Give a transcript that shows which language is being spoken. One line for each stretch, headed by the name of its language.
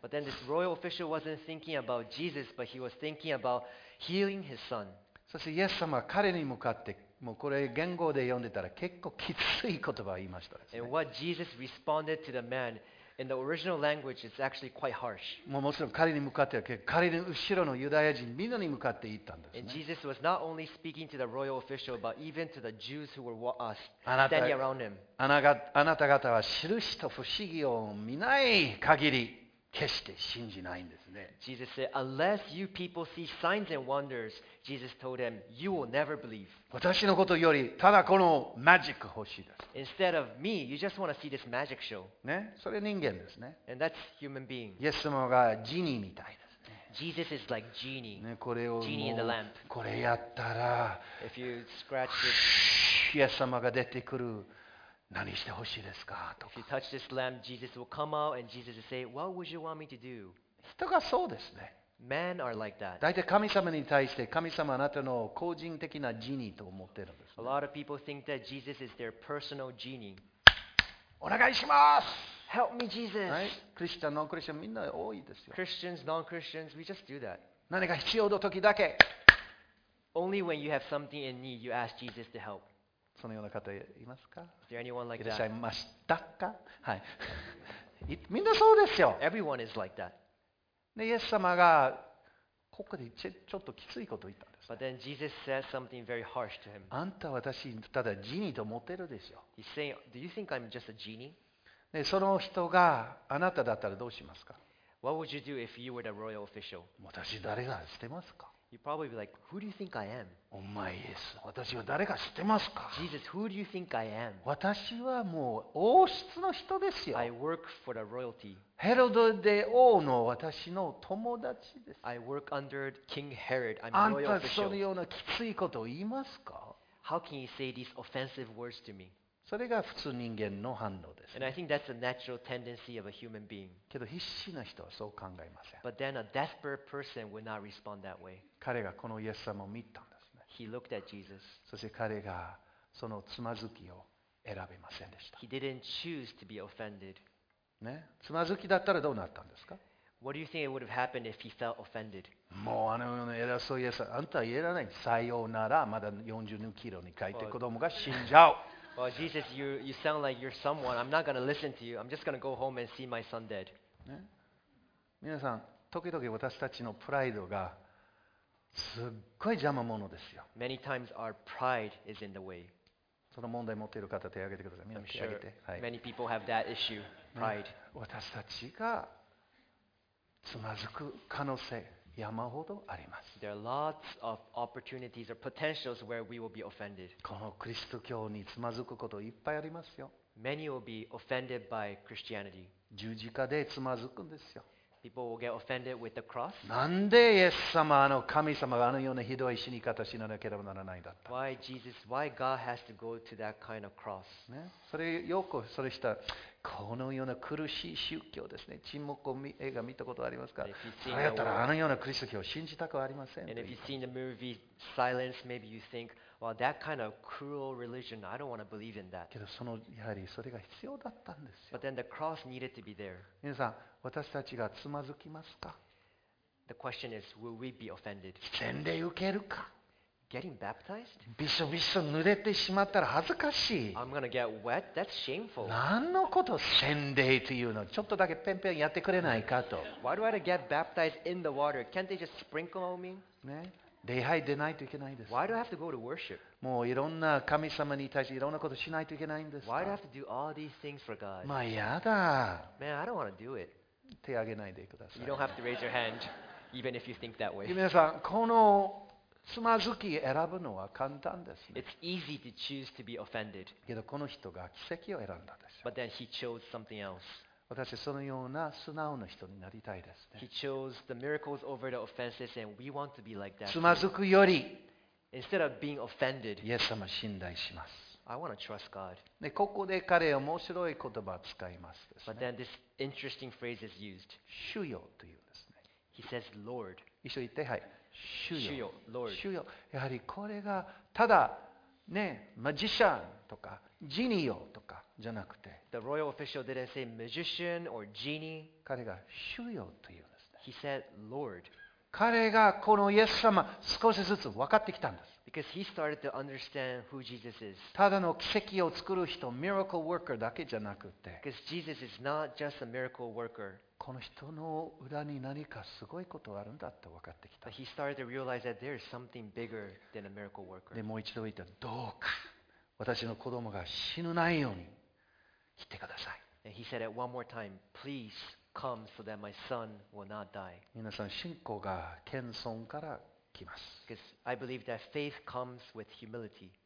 English: But then this royal official wasn't thinking about Jesus, but he was thinking about healing his son.
Japanese: そしてイエス様は彼に向かって、もうこれ言語で読んでたら結構きつい言葉を言いましたですね。
English: And what Jesus responded to the man in the original language is actually quite harsh.
Japanese: もうもちろん彼に向かって、彼の後ろのユダヤ人みんなに向かって言ったんですね。
English: And Jesus was not only speaking to the royal official, but even to the Jews who were standing around him.
Japanese: あなた方は印と不思議を見ない限り決して信じないんですね。
English: Jesus said, unless you people see signs and wonders, Jesus told them, you will never believe.
Japanese: 私のことよりただこのマジック欲しいです。
English: Instead of me, you just want to see this magic show.
Japanese: ね、それ人間ですね。
English: And that's human being.
Japanese: イエス様がジニーみたいですね。
English: Jesus is like genie.
Japanese: ね、これを
English: genie in the lamp.
Japanese: これやったら、
English: If you scratch this,
Japanese: イエス様が出てくる。何してほしいですかとか。
English: If you touch this lamp, Jesus will come out and Jesus will say, What would you want me to do?
Japanese: 人がそうですね。
English: Men are like that.
Japanese: 大体神様に対して神様あなたの個人的なジニーと思ってるんです、ね。
English: A lot of people think that Jesus is their personal genie.
Japanese: お願いします。
English: Help me, Jesus. Right?
Japanese: クリスチャン、ノンクリスチャンみんな多いですよ。
English: Christians, non-Christians, we just do that.
Japanese: 何か必要の時だけ。
English: Only when you have something in need, you ask Jesus to help.
Japanese: そのような方いますか、
English: like、
Japanese: いらっしゃいましたか、はい、みんなそうですよ。
English: Everyone is like that.
Japanese: で、イエス様がここでちょっときついことを言ったんです、ね。
English: But then Jesus says something very harsh to him.
Japanese: あんた私ただジニーと思ってるでしょ。
English: He's saying, Do you think I'm just a genie?
Japanese: で、その人があなただったらどうしますか。
English: What would you do if you were the royal official?
Japanese: 私誰がしてますか。
English: You'd probably be like, Who do you think I am?
Japanese: お前イエス、私は誰か知ってますか
English: Jesus, who do you think I am?
Japanese: 私はもう王室の人ですよ。
English: I work for the royalty.
Japanese: ヘロデで王の私の友達です。
English: I work under King Herod. I'm
Japanese: あんたそのようなきついことを言いますか
English: How can you say these offensive words to me?
Japanese: それが普通人間の反応です、ね。
English: And I think that's a natural tendency of a human being.
Japanese: けど必死な人はそう考えません。
English: But then a desperate person would not respond that way.
Japanese: 彼がこのイエス様を見たんですね。
English: He looked at Jesus.
Japanese: そして彼がそのつまずきを選びませんでした。
English: He didn't choose to be offended.
Japanese: ね、つまずきだったらどうなったんですか
English: What do you think it would have happened if he felt offended?
Japanese: もうあのような偉そうイエス様、あんたは言えない。さようなら、まだ42キロに帰って子供が死んじゃう。
English: Well, Jesus, you sound like you're someone. I'm not going to listen to you. I'm just going to go home and see my son dead.
Japanese: 皆さん、時々私たちのプライドがすっごい邪魔者ですよ。
English: Many times our pride is in the way.
Japanese: その問題持っている方、手を挙げてください。みんな手を挙げて。はい。
English: Many people have that issue, pride.
Japanese: 私たちがつまずく可能性、山ほどあります。
English: There are lots of opportunities or potentials where we will be offended.
Japanese: このクリスト教につまずくこといっぱいありますよ。
English: Many will be offended by Christianity.
Japanese: 十字架でつまずくんですよ。
English: People will get offended with the cross.
Japanese: なんでイエス様、あの神様があのようなひどい死に方を死ななければならないんだった。
English: Why Jesus, why God has to go to that kind of cross?
Japanese: ね、それよくそれした。このような苦しい宗教ですね。沈黙を見映画見たことありますか？そうやったらあのようなクリスト教を信じたくはありません。
English: And if you've seen the movie Silence, maybe you think, well, that kind of cruel religion, I don't want to believe in that.
Japanese: けどそのやはりそれが必要だったんですよ。
English: But then the cross needed to be there.
Japanese: 皆さん、私たちがつまずきますか？
English: The question is, will we be offended?
Japanese: 洗礼受けるか？
English: Getting baptized?
Japanese: びしょびしょ濡れてしまったら恥ずかしい。
English: I'm going to get wet? That's shameful.
Japanese: 何のこと洗礼というの？ちょっとだけペンペンやってくれないかと。
English: Why do I have to get baptized in the water? Can't they just sprinkle on me?
Japanese: ね、礼拝でないといけないです。
English: Why do I have to go to worship?
Japanese: もういろんな神様に対していろんなことしないといけないんですか？
English: Why do I have to do all these things for God?
Japanese: まあやだ。
English: Man, I don't want to do it.
Japanese: 手挙げないでください。
English: You don't have to raise your hand. Even if you think that way.
Japanese: 皆さん、このつまずき選ぶのは簡単ですね。
English: It's easy to choose to be offended.
Japanese: けどこの人が奇跡を選んだんですよ。
English: But then he chose something else.
Japanese: 私そのような素直な人になりたいですね。
English: He chose the miracles over the offenses and we want to be like that.
Japanese: つまずくより
English: Instead of being offended,
Japanese: イエス様信頼します。
English: I want to trust God.
Japanese: でここで彼は面白い言葉を使いま す, です、ね、
English: But then this interesting phrase is used.
Japanese: 主よというんですね。
English: He says Lord.
Japanese: 一緒に言って、はい、主よ、主よ、
English: Lord、
Japanese: 主よ。やはりこれがただね、マジシャンとかジニオとかじゃなくて、
English: The royal official didn't say magician or genie。
Japanese: 彼が主よというんですね。
English: He said Lord。
Japanese: 彼がこのイエス様少しずつ分かってきたんです。
English: Because he started to understand who Jesus is。
Japanese: ただの奇跡を作る人、
English: miracle worker
Japanese: だけじゃなくて、
English: Because Jesus is not just a miracle worker。
Japanese: この人の裏に何かすごいことがあるんだって分かってきた。
English: He started to realize that there is something bigger than a miracle worker.
Japanese: でもう一度言った、どうか私の子供が死ぬないように来てください。
English: And he said it one more time, please come so that my son will not die.
Japanese: 皆さん、信仰が謙遜から来ます。
English: Because I believe that faith comes with humility.